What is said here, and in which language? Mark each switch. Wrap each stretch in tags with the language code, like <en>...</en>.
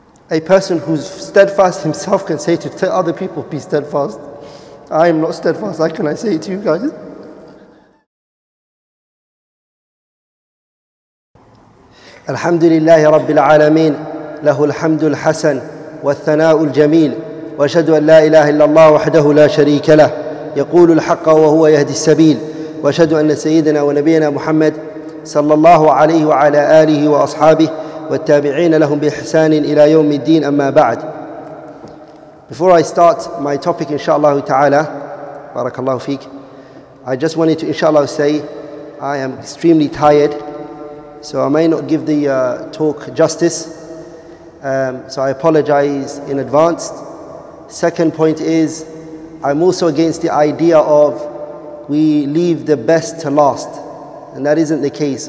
<en>A person who's steadfast himself can say to other people, be steadfast. I am not steadfast, how can I say it to you guys?</en> <ar>الحمد لله رب العالمين له الحمد الحسن والثناء الجميل وأشهد أن لا إله إلا الله وحده لا شريك له يقول الحق وهو يهدي السبيل وأشهد أن سيدنا ونبينا محمد صلى الله عليه وعلى آله وأصحابه والتابعين لهم بإحسان إلى يوم الدين أما بعد.</ar> <en>Before I start my topic</en> <ar>إن شاء الله تعالى بارك الله فيك,</ar> <en>I just wanted to</en> <ar>إن شاء الله</ar> <en>say I am extremely tired, so I may not give the talk justice. So I apologize in advance. Second point is, I'm also against the idea of we leave the best to last. And that isn't the case.</en>